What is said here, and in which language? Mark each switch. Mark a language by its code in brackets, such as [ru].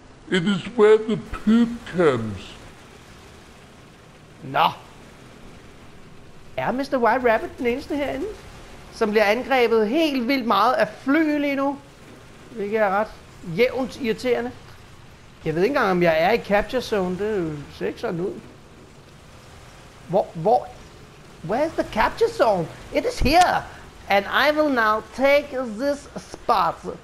[en] It is where the poop comes. [da] Nå. Er Mr. White Rabbit den eneste herinde, som bliver angrebet helt vildt meget af fly lige nu? Hvilket er ret jævnt irriterende. Jeg ved ikke engang, om jeg er i capture zone. Det ser ikke sådan ud. Hvor? [en] Where is the capture zone? It is here. And I will now take this spot.